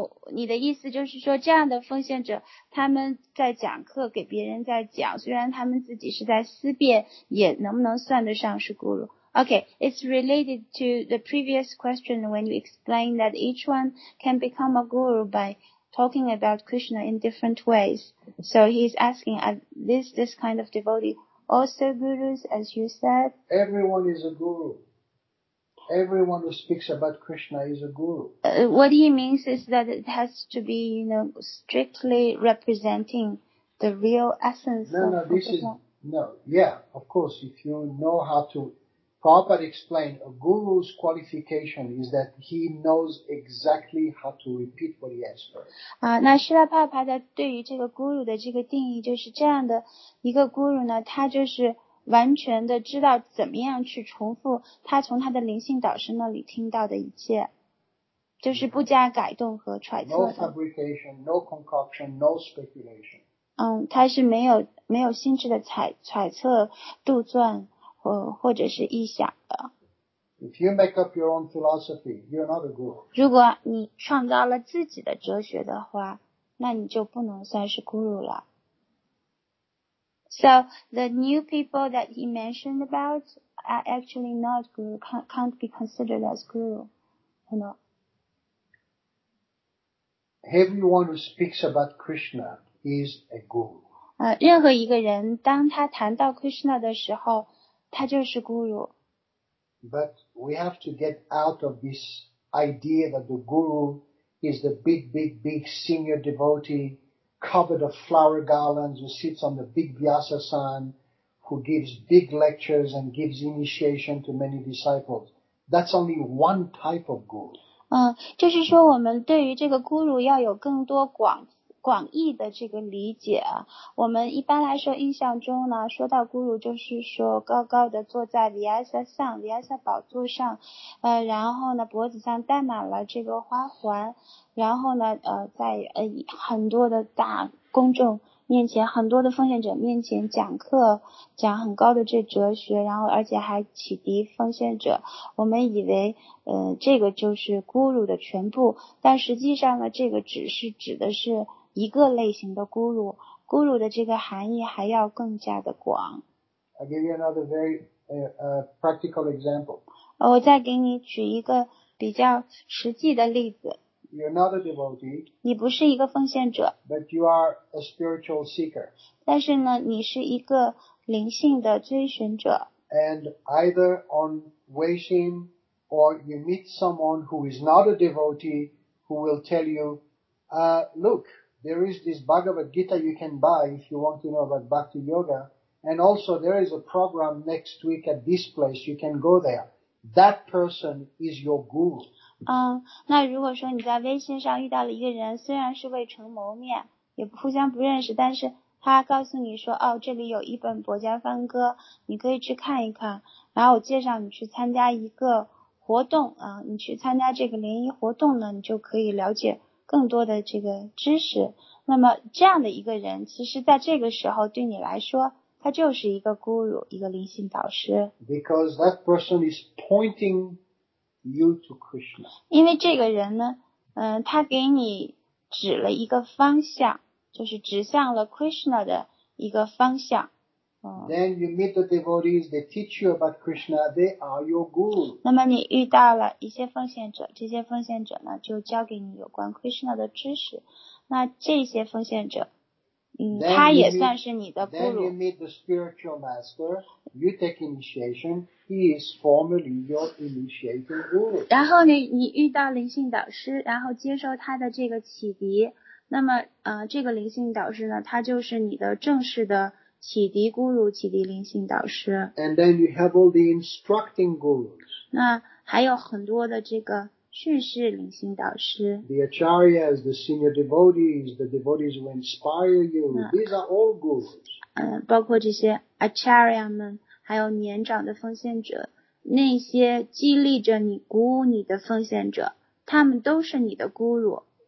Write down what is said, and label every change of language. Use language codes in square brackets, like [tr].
[zh] 你的意思就是说这样的奉献者他们在讲课给别人在讲，虽然他们自己是在思辨，也能不能算得上是孤弱。 [en] Okay, it's related to the previous question when you explained that each one can become a guru by talking about Krishna in different ways. So he's asking, are this kind of devotee also gurus as you said? Everyone is a guru. Everyone who speaks about Krishna is a guru. What he means is that it has to be, you know, strictly representing the real essence of Krishna. Of course, if you know how to properly explain, a guru's qualification is that he knows exactly how to repeat what he has heard. [zh] 那希腊帕帕的对于这个 guru 的这个定义就是这样的一个 guru 呢，他就是完全的知道怎么样去重复他从他的灵性导师那里听到的一切，就是不加改动和揣测的。 [en] No fabrication, no concoction, no speculation. [zh] 他是没有心智的揣测杜撰或者是臆想的。 [en] If you make up your own philosophy, you're not a guru. [zh] 如果你创造了自己的哲学的话，那你就不能算是 guru 了。 [en] So the new people that he mentioned about are actually not guru, can't be considered as guru, you know. Everyone who speaks about Krishna is a guru. [zh] 任何一个人当他谈到 Krishna 的时候，他就是 guru。 [en] But we have to get out of this idea that the guru is the big, big, big senior devotee covered of flower garlands who sits on the big Vyasasan who gives big lectures and gives initiation to many disciples. That's only one type of guru. [zh] 就是说我们对于这个 guru 要有更多广义的这个理解，我们一般来说印象中呢，说到 guru 就是说高高的坐在 Vyasa 宝座上，然后呢脖子上戴满了这个花环，然后呢在很多的大公众面前，很多的奉献者面前讲课，讲很高的这哲学，然后而且还启迪奉献者。我们以为这个就是 guru 的全部，但实际上呢这个只是指的是一个类型的 guru 的这个含义还要更加的广。 [en] I'll give you another very practical example. [zh] 我再给你举一个比较实际的例子。 [en] You're not a devotee. [zh] 你不是一个奉献者。 [en] But you are a spiritual seeker. [zh] 但是呢，你是一个灵性的追寻者。 [en] And either on Weixin or you meet someone who is not a devotee who will tell you, look. There is this Bhagavad Gita you can buy if you want to know about Bhakti Yoga. And also there is a program next week at this place. You can go there. That person is your guru. [zh] 那如果说你在微信上遇到了一个人，虽然是未曾谋面，也互相不认识，但是他告诉你说，哦，这里有一本薄伽梵歌，你可以去看一看。然后我介绍你去参加一个活动，你去参加这个联谊活动呢，你就可以了解更多的这个知识，那么这样的一个人，其实在这个时候对你来说，他就是一个 guru， 一个灵性导师。 [en] Because that person is pointing you to Krishna. [zh] 因为这个人呢，他给你指了一个方向，就是指向了 Krishna 的一个方向。 [en] Then you meet the devotees, they teach you about Krishna, they are your guru. [zh] 那么你遇到了一些奉献者，这些奉献者呢就教给你有关 Krishna 的知识，那这些奉献者，他也算是你的 guru. [en] Then you meet the spiritual master, you take initiation, he is formally your initiating guru. [zh] 然后你遇到灵性导师，然后接受他的这个启迪，那么这个灵性导师呢，他就是你的正式的启迪 guru， 启迪灵性导师。 [en] And then you have all the instructing gurus. [zh] 那还有很多的这个叙事灵性导师。 [en] The acharyas, the senior devotees, the devotees who inspire you. These are all gurus. [zh] 包括这些 acharya 们，还有年长的奉献者，那些激励着你、鼓舞你的奉献者，他们都是你的 guru。